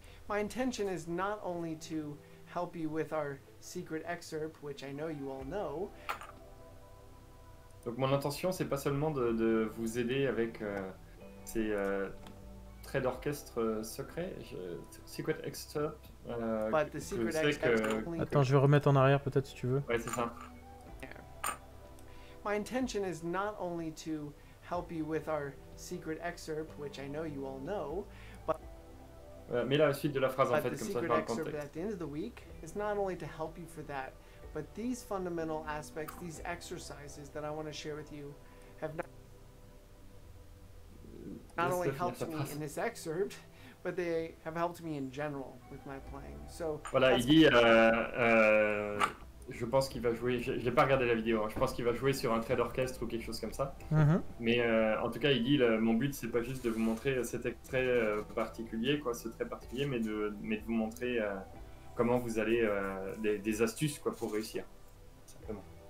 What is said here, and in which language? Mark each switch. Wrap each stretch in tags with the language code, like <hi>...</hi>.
<en>My intention is not only to help you with our secret excerpt, which I know you all know.</en> <fr>Donc mon intention, c'est pas seulement de vous aider avec ces traits d'orchestre secrets,</fr> <en>secret excerpt. But the secret excerpt.</en> <fr>Attends, je vais remettre en arrière peut-être si tu veux. Ouais, c'est ça.</fr> <en>My intention is not only to help you with our secret excerpt, which I know you all know, but.</en> <fr>Mets la suite de la phrase en fait, comme ça je parle en contexte.</fr> <en>But the secret excerpt at the end of the week is not only to help you for that. But these fundamental aspects, these exercises that I want to share with you, have not only helped me in this excerpt, but they have helped me in general with my playing. So</en> <fr>voilà, il dit, je pense qu'il va jouer. J'ai pas regardé la vidéo. Hein, je pense qu'il va jouer sur un trait d'orchestre ou quelque chose comme ça. Mm-hmm. Mais en tout cas, il dit, mon but c'est pas juste de vous montrer cet extrait particulier, quoi, ce trait particulier, mais de vous montrer. Comment vous allez des astuces quoi pour réussir simplement.</fr>